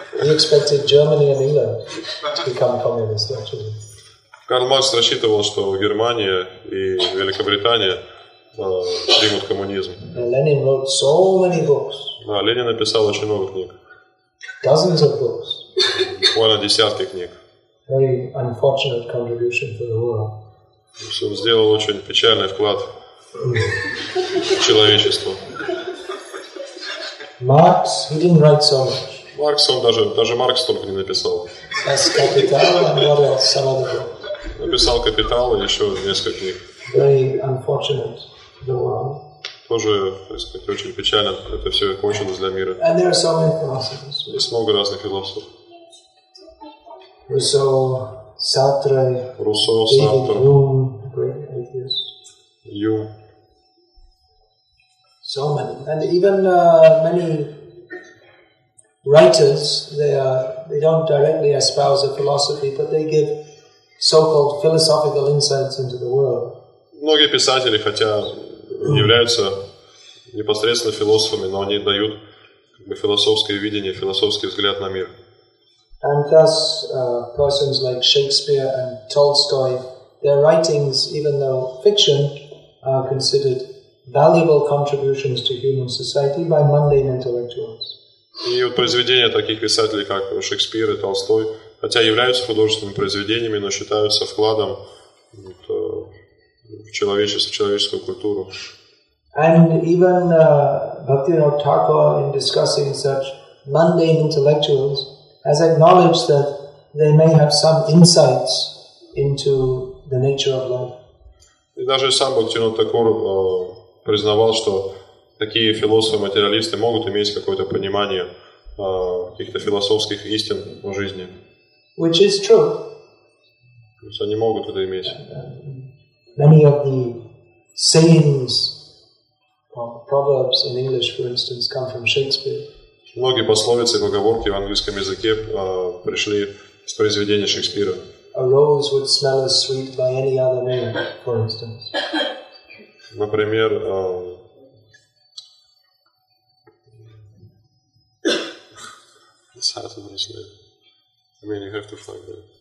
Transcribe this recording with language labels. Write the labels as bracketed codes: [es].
[en] He expected Germany and England to become communist, actually. [ru] Карл Маркс рассчитывал, что Германия и Великобритания примут коммунизм. [en] Ленин wrote so many books. [ru] Да, Ленин написал очень много книг. [en] Dozens of books. [ru] Буквально десятки книг. [en] Very unfortunate contribution for the world. [ru] Он сделал очень печальный вклад в человечество. [en] Marx, he didn't write so much. [ru] Маркс, он даже Маркс только не написал. [en] As Capital and what else, some other books. [ru] Написал Капитал и еще несколько книг. [en] Very unfortunate, the world. [ru] Тоже, так сказать, очень печально это все кончилось для мира. [en] And there are so many philosophers. [ru] Есть много разных философов. Руссо, Сартр, Юм. [en] So many. And even many writers, they don't directly espouse a philosophy, but they give so-called philosophical insights into the world. [ru] Многие писатели, хотя являются непосредственно философами, но они дают как бы философское видение, философский взгляд на мир. [en] And thus, persons like Shakespeare and Tolstoy, their writings, even though fiction, are considered valuable contributions to human society by mundane intellectuals. [ru] И вот произведения таких писателей, как Шекспир и Толстой, хотя являются художественными произведениями, но считаются вкладом в человечество, в человеческую культуру. [en] And even Bhaktivinoda Thakur, in discussing such mundane intellectuals, has acknowledged that they may have some insights into the nature of life. [ru] И даже сам Бхактивинода Такур признавал, что такие философы-материалисты могут иметь какое-то понимание каких-то философских истин в жизни. [en] Which is true. [ru] То есть они могут это иметь. [en] Many of the sayings, or proverbs in English, for instance, come from Shakespeare. [ru] Многие пословицы и поговорки в английском языке пришли с произведения Шекспира. [en] A rose would smell as sweet by any other name, for instance. [ru] Например, [en] Saturday's name. I mean, you have to find it.